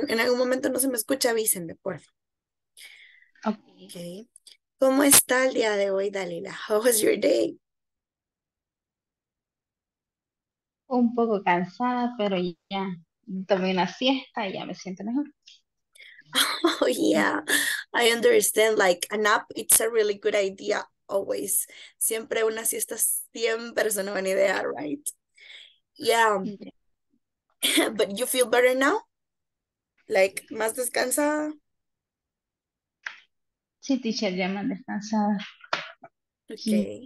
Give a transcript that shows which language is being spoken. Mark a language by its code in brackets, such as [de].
[es] en algún momento no se me escucha, avísenme, por favor. [en] Okay. [es] Ok, ¿cómo está el día de hoy, Dalila? [en] How was your day? [es] Un poco cansada, pero ya tomé una siesta y ya me siento mejor. [en] Oh, yeah, I understand. Like a nap, it's a really good idea, always. [es] Siempre una siesta siempre es una buena idea, right? [en] Yeah. But you feel better now? [es] Like, más descansada? Sí, teacher, ya me han descansado. Sí.